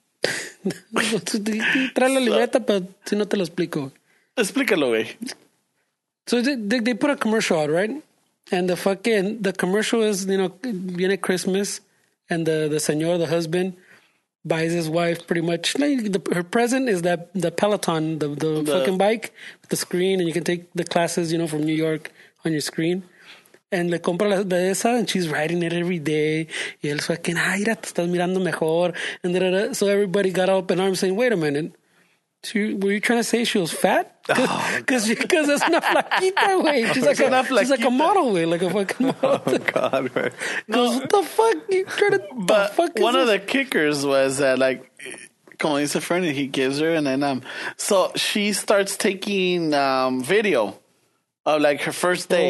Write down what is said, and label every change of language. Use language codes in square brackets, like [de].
[es] Trae la libreta, pero si no te lo explico. Explícalo, güey. [en] So they put a commercial out, right? And the commercial is, you know, viene Christmas, and the señor, the husband, buys his wife pretty much. Her present is that the Peloton, the fucking bike with the screen, and you can take the classes, you know, from New York on your screen. And [es] le compra la de esa, [en] and she's riding it every day. [es] Y él fucking, ay, ya te estás mirando mejor. [en] And da, da, da. So everybody got up in arms saying, wait a minute. Were you trying to say she was fat? Because that's not flaquita, güey. She's like a model, güey. Like a fucking model. Oh, God, right. Because what the fuck? The kickers was that, like, como dice Fernie, he gives her, and then, so she starts taking video of, like, her first day.